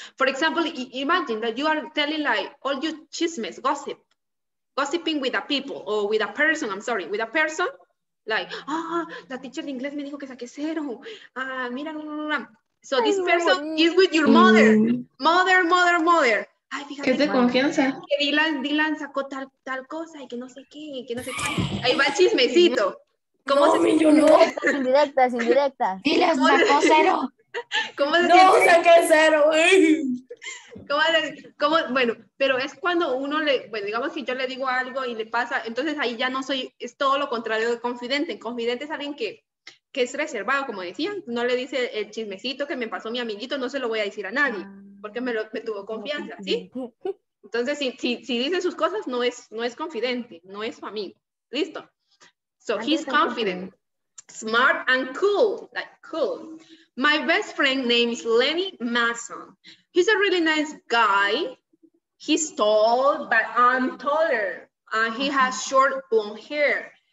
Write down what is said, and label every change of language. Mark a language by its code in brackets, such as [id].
[en] For example, imagine that you are telling like all your chismes, gossip. Gossiping with a people or with a person, I'm sorry, with a person. [es] Like, la teacher de inglés me dijo que saqué cero. [en] Mira, So this person is with your mother. Mother. [es] Ay, fíjate. Que es de confianza. Que Dylan sacó tal cosa y que no sé qué, y que no sé qué. Ahí va el chismecito. ¿Cómo se siente? Indirecta. Dylan sacó cero. ¿Cómo se siente? No, saqué cero. ¿Cómo? Bueno, pero es cuando uno le... Bueno, digamos que yo le digo algo y le pasa. Entonces ahí ya no soy... Es todo lo contrario de confidente. Confidente es alguien que es reservado, como decían, no le dice el chismecito que me pasó mi amiguito, no se lo voy a decir a nadie, porque me tuvo confianza, ¿sí? Entonces, si dice sus cosas, no es confidente, no es su amigo. ¿Listo? [en] So, he's confident, smart and cool, like cool. My best friend name is Lenny Mason. He's a really nice guy. He's tall, but I'm taller. And he has short blonde hair.